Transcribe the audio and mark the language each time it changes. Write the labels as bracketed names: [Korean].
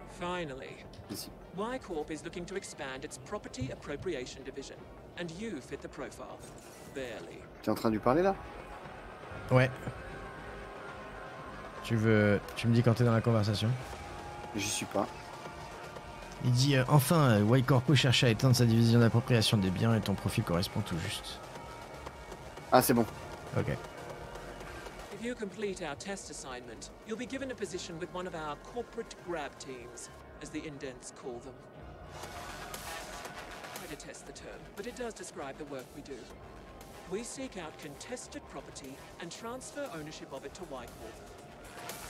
[English] Finally, Y-Corp is looking to expand its property appropriation division, and you fit the profile, barely. [French] T'es en train de lui parler, là? Ouais. Tu me dis quand t'es dans la conversation? J'y suis pas. Il dit, enfin, Y-Corp cherche à éteindre sa division d'appropriation des biens et ton profil correspond tout juste. Ah, c'est bon. Ok. [English] If you complete our test assignment, you'll be given a position with one of our corporate grab teams, as the indents call them. I detest the term, but it does describe the work we do. We seek out contested property and transfer ownership of it to Y-Corp.